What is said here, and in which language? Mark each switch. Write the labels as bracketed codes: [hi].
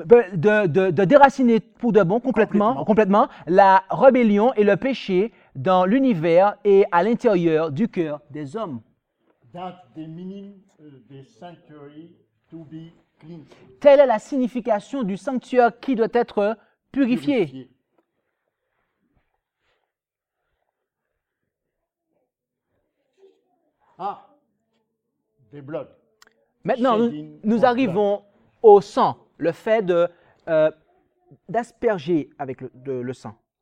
[fr] De déraciner pour de bon complètement la rébellion et le péché dans l'univers et à l'intérieur du cœur des hommes. [en] That's the meaning of the sanctuary to be clean. [fr] Telle est la signification du sanctuaire qui doit être purifié. [en] Ah, the blood. [fr] Maintenant, nous arrivons au sang. Le fait de d'asperger avec le sang.